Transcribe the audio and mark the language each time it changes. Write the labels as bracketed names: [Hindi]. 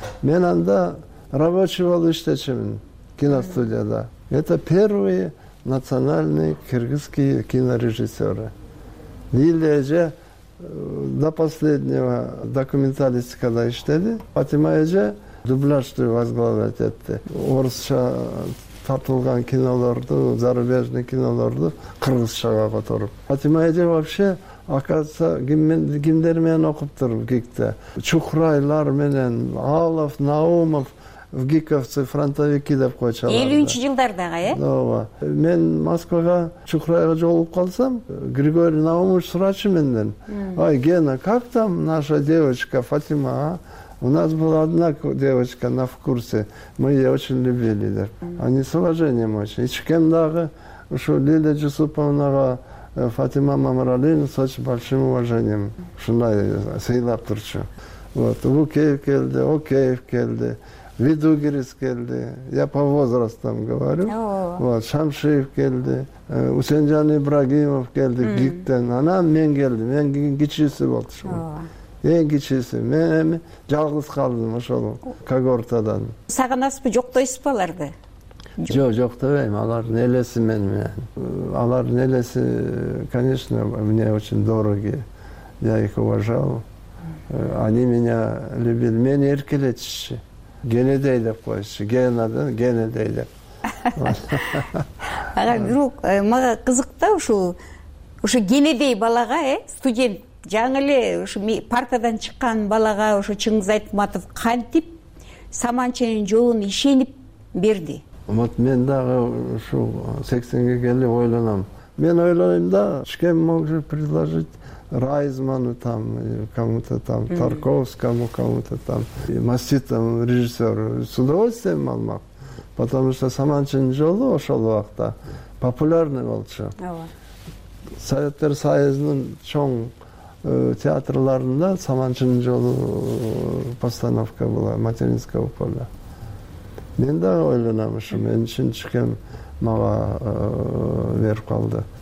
[Kyrgyz] Мен анда рабочий болуп иштечимин киностудияда. [Russian] Это первые национальные кыргызские кинорежиссеры. [Kyrgyz] Лилия же [Russian] до последнего [Kyrgyz] документалистикада иштеди. Фатима же дубляжды [Russian] возглавлять [Kyrgyz] этти. Орусча тартылган киноларды, зарубежный киноларды кыргызчага которуп. Фатима же [Russian] вообще оказывается, [Kyrgyz] кимдер менен окуптур [Russian] в ГИКТе. [Kyrgyz] Чухрайлар менен, Алов, Наумов, в ГИКовцы, фронтовики деп койчалар. 50-нчи жылдарда га, э? Ооба. Мен Москвага Чухрайга жолуп калсам, Григорий Наумович сурачу менден. [Russian] Ай, Гена, как там наша девочка Фатима, а? У нас была одна девочка на вкурсе, мы ее очень любили, деп. Они с уважением очень. [Kyrgyz] Ичкем дагы, ушу Лиля Жусуповнага, [Russian] Фатима Мамралина с очень большим уважением. [Kyrgyz] Шуна сыйлап турчу. Вот, Укеев келди, Океев келди, Видугирис келди. [Russian] Я по возрастам говорю. Вот, [Kyrgyz] Шамшиев келди, Усенжан Ибрагимов келди, ГИКТен. Она мен келди, мен кичиси болчу. Эң кичиси, мен эми жалгыз калдым ошол когортадан. Сагынасызбы, жоктойсузбу аларды? Жок, жоктобойм. Алардын элеси мен менен. Алардын элеси, [Russian] конечно, мне очень дороги. Я их уважал. Они меня любили. [Kyrgyz] Мени эркелетишчи. Генедей деп коюшчу. Генадан Генедей деп. Ага, бирок мага кызык да ушу Генедей балага, э, студент жаңы эле ушу партадан чыккан балага ушу Чыңгыз Айтматов кантип саманчынын жолун ишенип берди? Вот мен дагы ушу 80-ге келип ойлонам. Мен ойлойм да, [Russian] кем мог же предложить Райзману там, кому-то там, Тарковскому, кому-то там, маститому режиссеру. С удовольствием [Kyrgyz] алмак. [Russian] Потому что [Kyrgyz] саманчынын жолу ошол убакта популярный болчу. Советтер Союзунун чоң театрларында саманчынын жолу [Russian] постановка была, [Kyrgyz] Материнская опера. Мен дагы ойлонам ушу, мен үчүн чыкем мага берип калды.